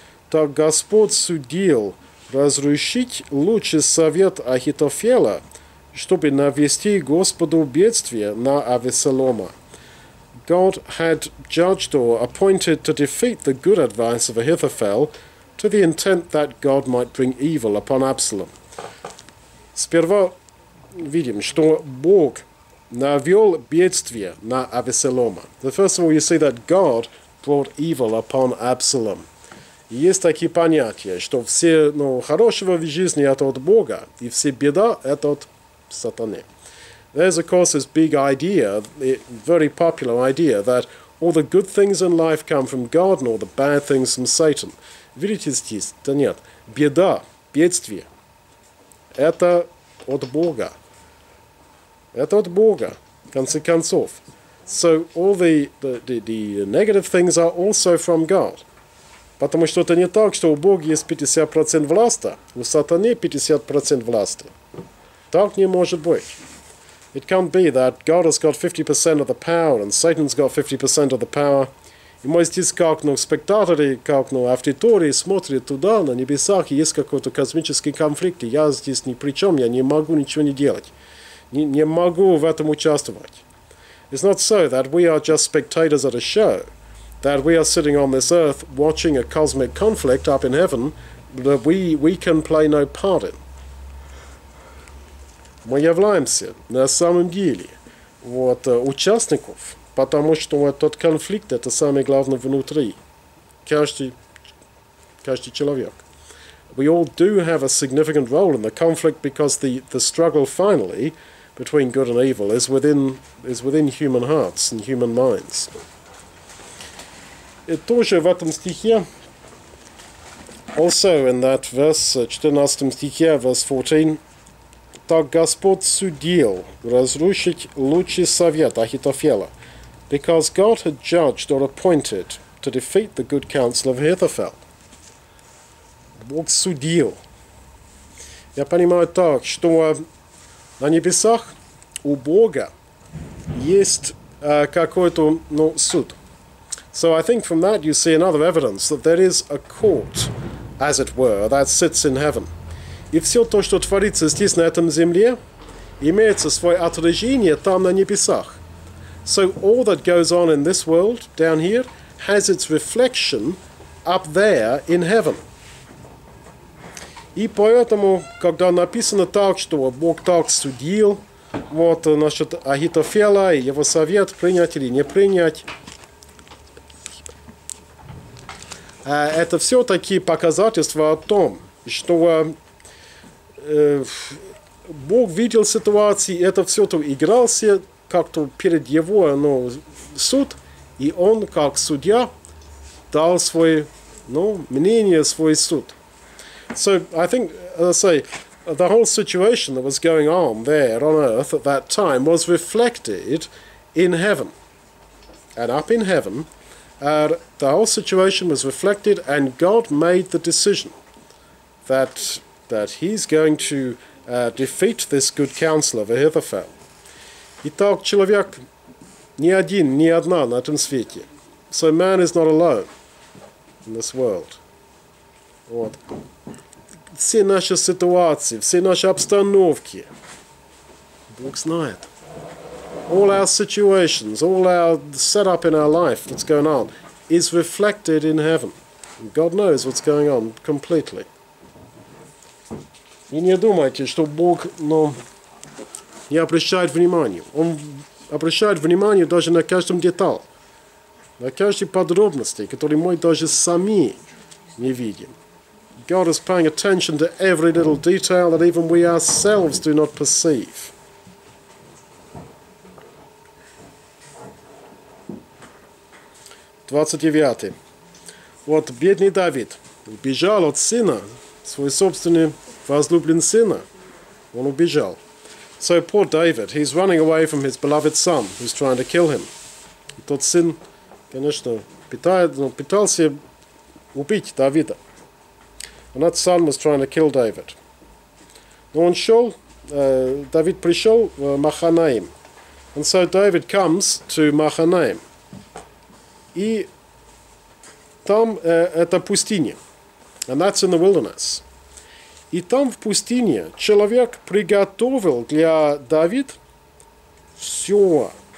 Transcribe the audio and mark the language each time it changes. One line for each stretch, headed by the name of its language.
Russian: Так Господь судил разрушить лучший совет Ахитофеля, чтобы навести Господу бедствие на Авессалома.
English: God had judged or appointed to defeat the good advice of Ahithophel to the intent that God might bring evil upon Absalom.
Russian: Сперва видим, что Бог навел бедствие на Авессалома.
English: The first of all, you see that God brought evil upon Absalom.
Russian: Есть такие понятия, что все, ну, хорошего в жизни это от Бога, и все беда это от сатаны.
English: There's, of course, this big idea, a very popular idea, that all the good things in life come from God and all the bad things from Satan.
Russian: Видите здесь? Да нет. Беда, бедствие. Это от Бога. Это от Бога, в конце концов.
English: So all the negative things are also from God.
Russian: Потому что это не так, что у Бога есть 50% власти, у сатаны 50% власти. Так не может быть.
English: It can't be that God has got 50% of the power and Satan's got 50% of the power.
Russian: И мы здесь как, ну, спектаторы, как, ну, аудитории смотрят туда, на небесах, и есть какой-то космический конфликт, и я здесь ни при чем, я не могу ничего не делать. Не могу в этом участвовать.
English: It's not so that we are just spectators at a show, that we are sitting on this earth watching a cosmic conflict up in heaven that we can play no part in.
Russian: Мы являемся на самом деле вот участников, потому что вот тот конфликт, это самое главное внутри, каждый человек.
English: We all do have a significant role in the conflict because the struggle finally between good and evil is within human hearts and human minds.
Russian: И тоже в этом стихе,
English: also in that verse,
Russian: 14 стихе,
English: verse 14,
Russian: так Господь судил разрушить лучший совет Ахитофеля,
English: because God had judged or appointed to defeat the good counsel of Ahithophel.
Russian: Бог судил. Я понимаю так, что на небесах у Бога есть какой-то, ну, суд.
English: So I think from that you see another evidence that there is a court, as it were, that sits in heaven.
Russian: И все то, что творится здесь, на этом земле, имеется свое отражение там, на небесах.
English: So all that goes on in this world, down here, has its reflection up there in heaven.
Russian: И поэтому, когда написано так, что Бог так судил, вот, значит, Ахитофеля и его совет, принять или не принять, Это все такие показательства о том, что Бог видел ситуации, это все то игрался как-то перед его суд, и он как судья дал свое мнение, свой суд.
English: So I think, as I say, the whole situation that was going on there on earth at that time was reflected in heaven. And up in heaven, the whole situation was reflected, and God made the decision that he's going to defeat this good counsel of Ahithophel.
Russian: Итак, человек не один, не одна на этом свете.
English: So man is not alone in this world.
Russian: Вот. Все наши ситуации, все наши обстановки, Бог знает.
English: All our situations, all our setup in our life, what's going on, is reflected in heaven. God knows what's going on completely.
Russian: И не думайте, что Бог, не обращает внимания. Он обращает внимание даже на каждом детал, на каждой подробности, которые мы даже сами не видим.
English: God is paying attention to every little detail that even we ourselves do not perceive.
Russian: Двадцать девятый. Вот бедный Давид убежал от сына, свой собственный возлюбленный сына. Он убежал.
English: So poor David, he's running away from his beloved son, who's trying to kill him.
Russian: И тот сын, конечно, пытался убить Давида.
English: And that son was trying to kill David.
Russian: Но он шел, Давид пришел в Маханаим.
English: And so David comes to Маханаим.
Russian: И там это пустыня.
English: And that's in the wilderness.
Russian: И там в пустыне человек приготовил для Давид все.